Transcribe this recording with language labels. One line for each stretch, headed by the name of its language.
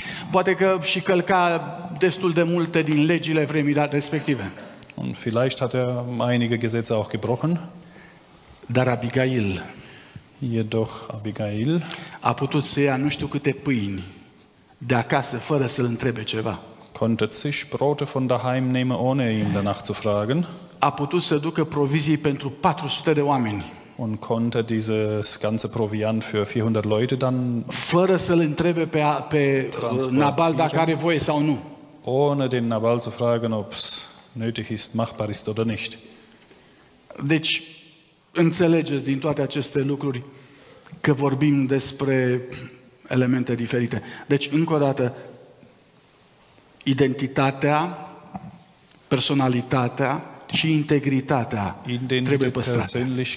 Romanian: Poate că și călca destul de multe din legile vremii respective.
German: Und vielleicht hat er einige Gesetze auch gebrochen.
Romanian: Dar Abigail.
German: Jedoch Abigail
Romanian: a putut să ia nu știu câte pâini de acasă fără să-l întrebe ceva.
German: Konnte sich Brote von daheim nehmen, ohne ihn danach zu fragen.
Romanian: A putut să ducă provizii pentru 400 de oameni.
German: Und konnte dieses ganze Proviant für 400 Leute dann
Romanian: fără să-l întrebe pe Nabal dacă are voie sau nu.
German: Ohne den Nabal zu fragen, ob es nötig ist, machbar ist oder nicht.
Romanian: Deci, înțelegeți din toate aceste lucruri că vorbim despre elemente diferite. Deci, încă o dată, identitatea, personalitatea și integritatea trebuie păstrate.